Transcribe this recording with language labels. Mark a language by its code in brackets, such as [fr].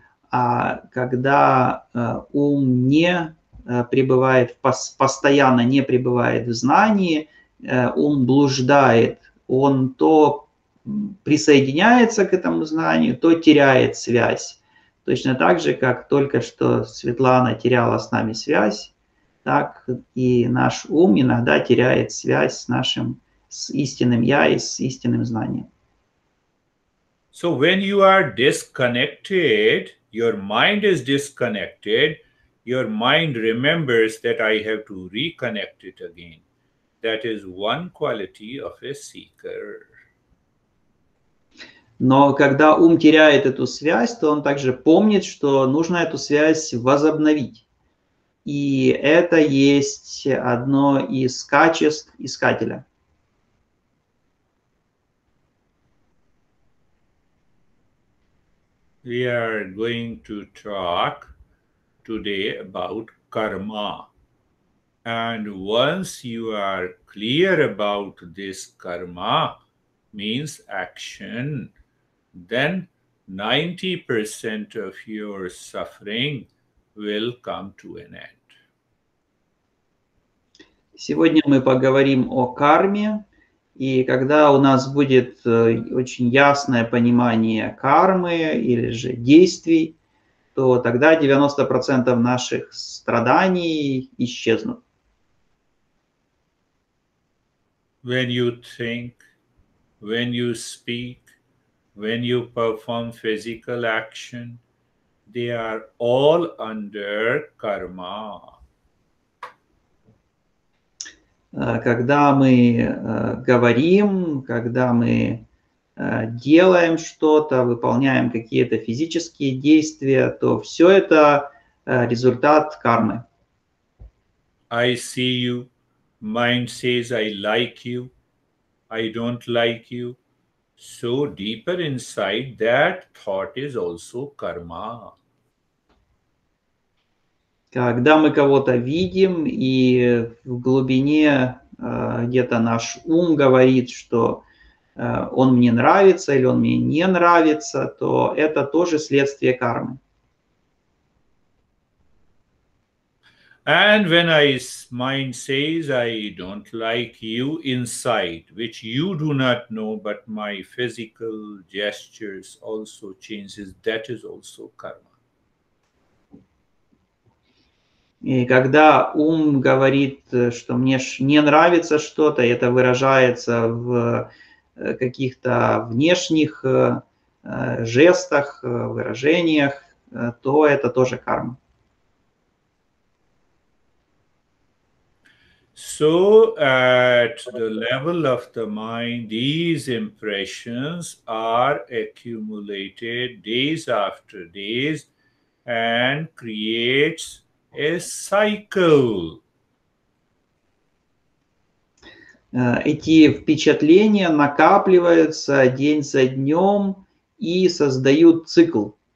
[ru] А когда ум не пребывает, постоянно не пребывает в знании, ум блуждает, он то присоединяется к этому знанию, то теряет связь. Точно так же, как только что Светлана теряла с нами связь, так и наш ум иногда теряет связь с нашим, с истинным я и с истинным знанием. [en] So when you are disconnected, your mind is disconnected, your mind remembers that I have to reconnect it again. That is one quality of a seeker. [ru] Но когда ум теряет эту связь, то он также помнит, что нужно эту связь возобновить. И это есть одно из качеств искателя. [en] We are going to talk today about karma. And once you are clear about this karma, means action, then 90% of your suffering will come to an end. [ru] Сегодня мы поговорим о карме. И когда у нас будет очень ясное понимание кармы или же действий, то тогда 90% наших страданий исчезнут. [en] When you think, when you speak, when you perform physical action, they are all under karma. [ru] Когда мы говорим, когда мы делаем что-то, выполняем какие-то физические действия, то все это результат кармы. [en] I see you. Mind says I like you. I don't like you. So deeper inside that thought is also karma. [ru] Когда мы кого-то видим, и в глубине где-то наш ум говорит, что он мне нравится или он мне не нравится, то это тоже следствие кармы. [en] And when mind says I don't like you inside, which you do not know, but my physical gestures also changes, that is also karma. [ru] И когда ум говорит, что мне не нравится что-то, это выражается в каких-то внешних жестах, выражениях, то это тоже карма. [en] So at the level of the mind, these impressions are accumulated days after days and creates a cycle. [ru] Эти впечатления накапливаются день за днем и создают цикл.